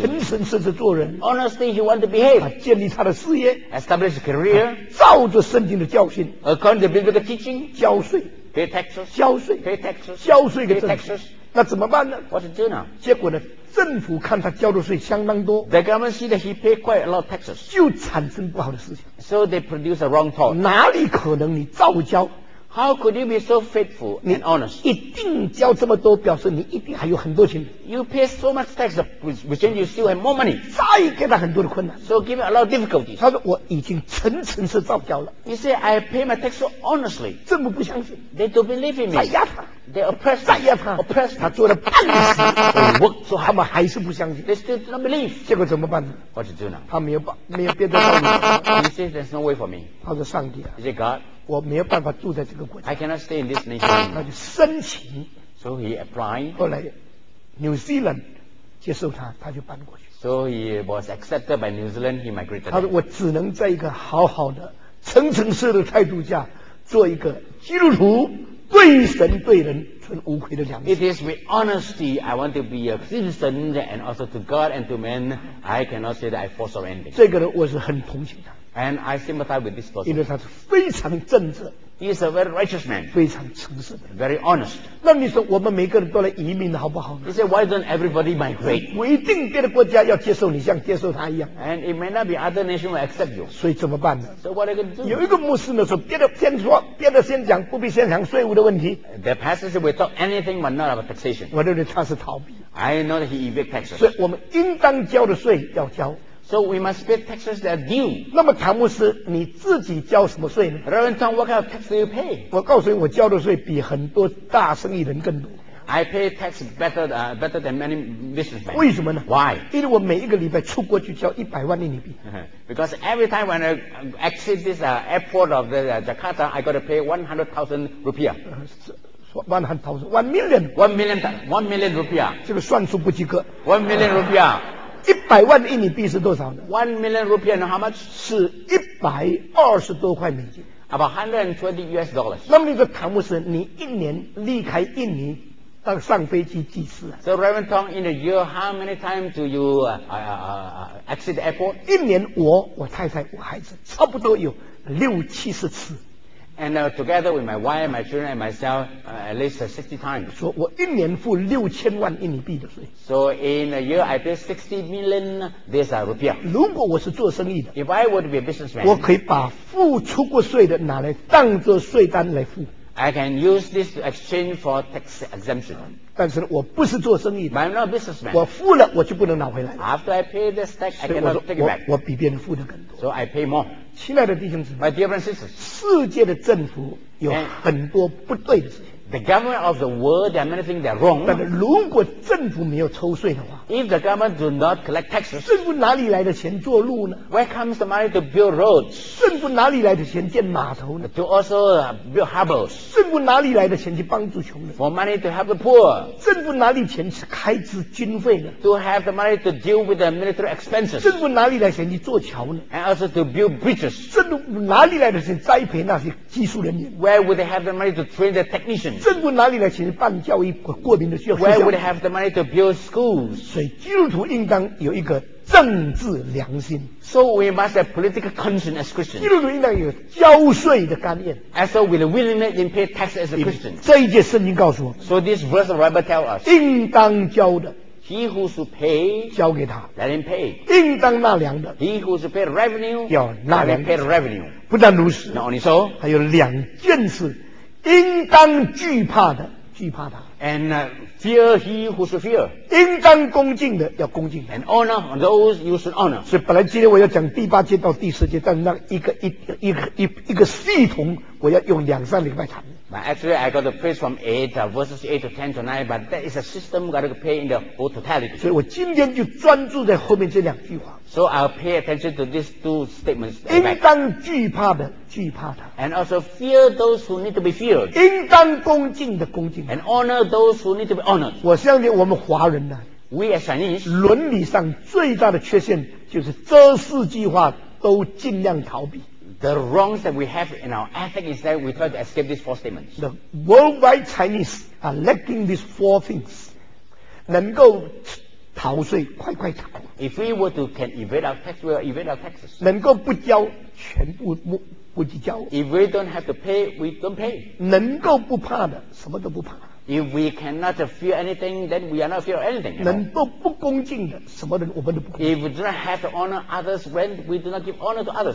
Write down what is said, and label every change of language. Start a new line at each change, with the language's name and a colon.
Chinese: 诚诚实实做人
English: Honestly he wanted to behave
Chinese: 他建立他的事业
English: Established a career
Chinese: 照着圣经的教训
English: According to biblical teaching
Chinese: 交税
English: Pay taxes
Chinese: 交税
English: Pay taxes
Chinese: 交税给政
English: 府 Pay taxes
Chinese: 那怎么办呢
English: What to do now?
Chinese: 结果呢政府看他交的税相当多
English: The government see that he paid quite a lot of taxes
Chinese: 就产生不好的思想
English: So they produce a wrong thought
Chinese: 哪里可能你照交
English: How could you be so faithful and honest?
Chinese: 你一定交这么多表示你一定还有很多钱
English: You pay so much tax which means you still have more money
Chinese: 再给他很多的困难
English: So give him a lot of difficulties
Chinese: 他说我已经层层次照交了
English: He said I pay my tax so honestly
Chinese: 政府不相信
English: They don't believe in me
Chinese: 再压他
English: They oppressed him. Oppressed him.
Chinese: 他做了半死的work, 所以他们还是不相信。
English: They still do not believe.
Chinese: 结果怎么办呢
English: What to do now?
Chinese: 他没有别的道理。
English: He says there's no way for me.
Chinese: 他说上帝啊。
English: He said God.
Chinese: 我没有办法住在这个国家。
English: I cannot stay in this nation.
Chinese: 他就申请。
English: So he applied.
Chinese: 后来 New Zealand 接受他，他就搬过去。
English: So he was accepted by New Zealand. He migrated.
Chinese: 他说我只能在一个好好的、诚诚实的态度下做一个基督徒。对神对人存无愧的良心。
English: It is with honesty I want to be a citizen and also to God and to men. I cannot say that I force or anything.
Chinese: 这个人我是很同情他。
English: And I sympathize with this person.
Chinese: 因为他是非常正直。
English: He is a very righteous man.
Chinese: 非常诚实的。
English: Very honest.
Chinese: 那你说我们每个人都来移民好不好呢
English: ？He said why don't everybody migrate?
Chinese: 我一定别的国家要接受你，像接受他一样。
English: And it may not be other nation will accept you.
Chinese: 所以怎么办呢
English: ？So what are you going to do?
Chinese: 有一个牧师呢说，别的先说，别的先讲，不必先讲税务的问题。
English: The pastor said we talk anything but not about taxation.
Chinese: 我认为他是逃避。
English: I know that he evades taxes.
Chinese: 所以我们应当交的税要交。
English: So we must pay taxes that are due.
Chinese: 那么唐牧师，你自己交什么税呢
English: ？Reverend Tom, what kind of tax do you pay?
Chinese: 我告诉你，我交的税比很多大生意人更多。
English: I pay tax better than many businessmen.
Chinese: 为什么呢
English: ？Why?
Chinese: 因为我每一个礼拜出国就交100万印尼币。
English: Because every time when I exit this airport of the Jakarta, I got to pay 100,000 rupiah. 100,000, 1 million. One million rupiah.
Chinese: 这个算数不及格。
English: 1 million rupiah.
Chinese: 一百万印尼币是多少呢
English: ？1 million rupiah how much？
Chinese: 是120多块美金
English: ，about $120.
Chinese: 那么你说唐牧师，你一年离开印尼，到上飞机几次啊
English: ？So Reverend Tong, in a year, how many times do you exit the airport？
Chinese: 一年我太太我孩子差不多有60-70次。
English: And together with my wife, my children, and myself, at least 60 times.
Chinese: 说我一年付6000万印尼币的税。
English: So in a year, I pay 60 million this rupiah.
Chinese: 如果我是做生意的
English: ，If I were to be a businessman,
Chinese: 我可以把付出过税的拿来当做税单来付。
English: I can use this to exchange for tax exemption.
Chinese: 但是我不是做生意的
English: ，But I'm not a businessman.
Chinese: 我付了我就不能拿回来。
English: After I pay this tax, I cannot take it back.
Chinese: 我比别人付的更多。
English: So I pay more.
Chinese: 亲爱的弟兄姊妹
English: My dear brothers and sisters,
Chinese: 世界的政府有很多不对的事情
English: The government of the world, they are many things that are wrong. But
Chinese: 如果政府没有抽税的话，
English: if the government do not collect taxes,
Chinese: 政府哪里来的钱做路呢？
English: Where comes the money to build roads?
Chinese: 政府哪里来的钱建码头呢？
English: To also build harbors.
Chinese: 政府哪里来的钱去帮助穷人？
English: For money to help the poor.
Chinese: 政府哪里钱去开支军费呢？
English: To have the money to deal with the military expenses.
Chinese: 政府哪里来的钱去做桥呢？
English: And also to build bridges.
Chinese: 政府哪里来的钱栽培那些技术人员？
English: Where would they have the money to train the technicians?
Chinese: 政府哪里来钱办教育过民的学校？
English: Where would have the money to build schools?
Chinese: 所以基督徒应当有一个政治良心。
English: So we must have political conscience as Christians.
Chinese: 基督徒应当有交税的甘愿。
English: As so with a willingness in pay tax as a Christian.
Chinese: 这一节圣经告诉我。
English: So this verse of Bible tells us.
Chinese: 应当交的。
English: He who should pay,
Chinese: 交给他。
English: Let him pay.
Chinese: 应当纳粮的。
English: He who should pay the revenue,
Chinese: 要纳粮。
English: Let him pay the revenue.
Chinese: 不但如此。
English: Not only so.
Chinese: 还有两件事。应当惧怕的惧怕他
English: and fear he who should fear
Chinese: 应当恭敬的要恭敬
English: and honor those you should honor
Chinese: 所以本来今天我要讲第八节到第十节但那一个系统我要用两三礼拜谈
English: but actually I got the phrase from 8 verses 8 to 10 tonight but that is a system got to pay in the whole totality
Chinese: 所以我今天就专注在后面这两句话
English: so I'll pay attention to these two statements
Chinese: 应当惧怕的惧怕他
English: and also fear those who need to be feared
Chinese: 应当恭敬的恭敬
English: and honor those who need to be honored
Chinese: 我相信我们华人呢
English: we as Chinese
Chinese: 伦理上最大的缺陷就是遮世计划都尽量逃避
English: the wrongs that we have in our ethic is that we try to escape these four statements the worldwide Chinese are lacking these four things
Chinese: 能够逃税快快逃
English: if we were to can evade our tax we will evade our taxes
Chinese: 能够不交全部不计较
English: If we don't have to pay, we don't pay.
Chinese: 能够不怕的，什么都不怕。
English: If we cannot fear anything, then we are not fear anything.
Chinese: 能够不恭敬的，什么人我们都不恭敬。
English: If we do not have to honor others, when we do not give honor to others.